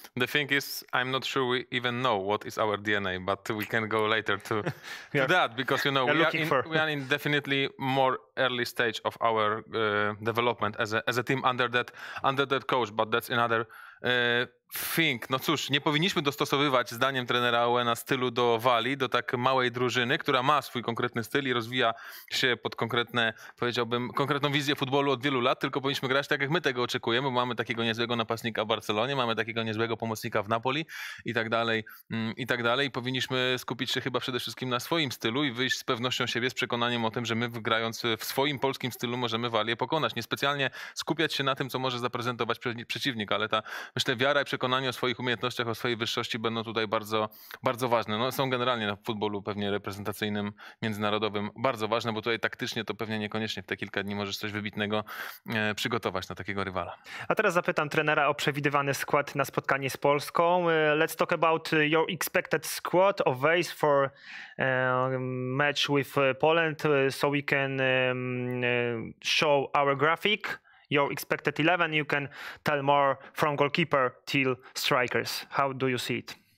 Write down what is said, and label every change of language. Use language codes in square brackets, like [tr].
[en] The thing is, I'm not sure we even know what is our DNA, but we can go later to that, because, you know, we are in definitely more early stage of our development as a team under that coach, but that's another thing. [pl] No cóż, nie powinniśmy dostosowywać, zdaniem trenera Owena, stylu do Walii, do tak małej drużyny, która ma swój konkretny styl i rozwija się pod konkretne, powiedziałbym, konkretną wizję futbolu od wielu lat, tylko powinniśmy grać tak, jak my tego oczekujemy. Mamy takiego niezłego napastnika w Barcelonie, mamy takiego niezłego pomocnika w Napoli i tak dalej, i tak dalej. Powinniśmy skupić się chyba przede wszystkim na swoim stylu i wyjść z pewnością siebie, z przekonaniem o tym, że my, grając w swoim polskim stylu, możemy Walię pokonać. Niespecjalnie skupiać się na tym, co może zaprezentować przeciwnik, ale ta, myślę, wiara i przekonanie o swoich umiejętnościach, o swojej wyższości będą tutaj bardzo, bardzo ważne. No, są generalnie w futbolu pewnie reprezentacyjnym, międzynarodowym bardzo ważne, bo tutaj taktycznie to pewnie niekoniecznie w te kilka dni możesz coś wybitnego przygotować na takiego rywala. A teraz zapytam trenera o przewidywany skład na spotkanie z Polską. [en] Let's talk about your expected squad of Wales for match with Poland, so we can show our graphic. Your expected 11, you can tell more from goalkeeper till strikers. How do you see it?